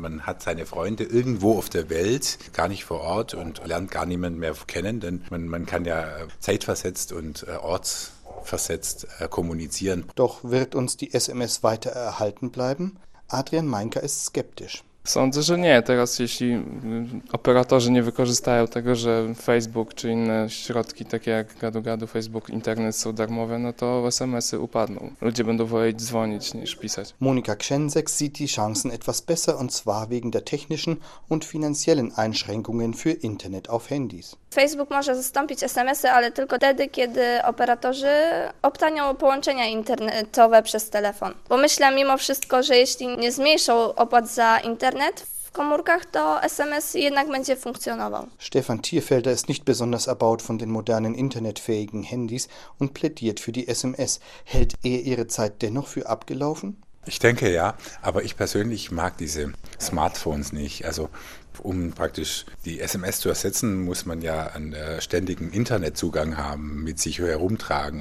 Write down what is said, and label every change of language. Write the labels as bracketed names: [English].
[German] Man hat seine Freunde irgendwo auf der Welt, gar nicht vor Ort und lernt gar niemanden mehr kennen, denn man kann ja zeitversetzt und ortsversetzt kommunizieren. Doch wird uns die SMS weiter erhalten bleiben? Adrian Meinka ist skeptisch. [Polish] Sądzę, że nie. Teraz jeśli operatorzy nie wykorzystają tego, że Facebook czy inne środki takie jak gadu-gadu, Facebook, internet są darmowe, no to SMS-y upadną. Ludzie będą wolić dzwonić niż pisać. [German] Monika Krzęzek sieht die Chancen etwas besser und zwar wegen der technischen und finanziellen Einschränkungen für Internet auf Handys. [Polish] Facebook może zastąpić SMS-y, ale tylko wtedy, kiedy operatorzy obtanią połączenia internetowe przez telefon. Bo myślę mimo wszystko, że jeśli nie zmniejszą opłat za Internet w komórkach, to SMS jednak będzie funkcjonował. [German] Stefan Tierfelder ist nicht besonders erbaut von den modernen internetfähigen Handys und plädiert für die SMS. Hält er ihre Zeit dennoch für abgelaufen? Ich denke ja, aber ich persönlich mag diese Smartphones nicht. Also um praktisch die SMS zu ersetzen, muss man ja einen ständigen Internetzugang haben, mit sich herumtragen.